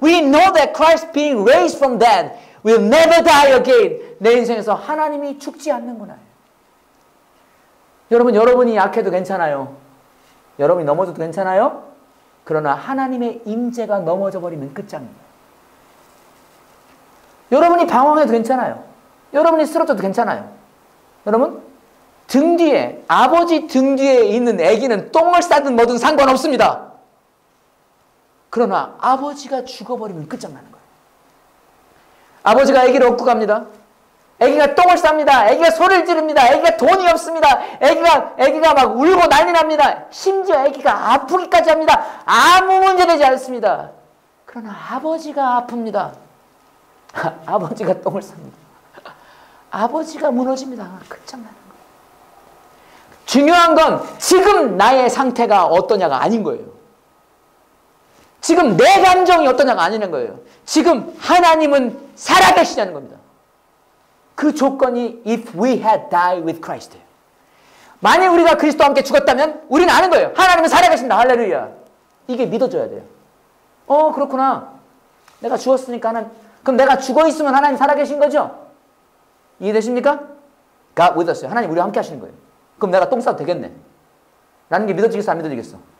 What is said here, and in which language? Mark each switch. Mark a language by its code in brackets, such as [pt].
[en] We know that Christ being raised from dead will never die again. [ko] 내 인생에서 하나님이 죽지 않는구나. 여러분, 여러분이 약해도 괜찮아요. 여러분이 넘어져도 괜찮아요? 그러나 하나님의 임재가 넘어져 버리면 끝장이에요. 여러분이 방황해도 괜찮아요. 여러분이 쓰러져도 괜찮아요. 여러분, 등 뒤에, 아버지 등 뒤에 있는 아기는 똥을 싸든 뭐든 상관없습니다. 그러나 아버지가 죽어버리면 끝장나는 거예요. 아버지가 아기를 업고 갑니다. 아기가 똥을 쌉니다. 아기가 소리를 지릅니다. 아기가 돈이 없습니다. 아기가 막 울고 난리 납니다. 심지어 아기가 아프기까지 합니다. 아무 문제되지 않습니다. 그러나 아버지가 아픕니다. 아버지가 똥을 쌉니다. 아버지가 무너집니다. 끝장나는 거예요. 중요한 건 지금 나의 상태가 어떠냐가 아닌 거예요. 지금 내 감정이 어떠냐가 아니는 거예요. 지금 하나님은 살아계시냐는 겁니다. 그 조건이 [en] if we had died with Christ. [ko] 만일 우리가 그리스도와 함께 죽었다면 우리는 아는 거예요. 하나님은 살아계신다. 할렐루야. 이게 믿어줘야 돼요. 그렇구나. 내가 죽었으니까 그럼 내가 죽어있으면 하나님 살아계신 거죠? 이해되십니까? [en] God with us. [ko] 하나님 우리와 함께 하시는 거예요. 그럼 내가 똥 싸도 되겠네. 라는 게 믿어지겠어? 안 믿어지겠어?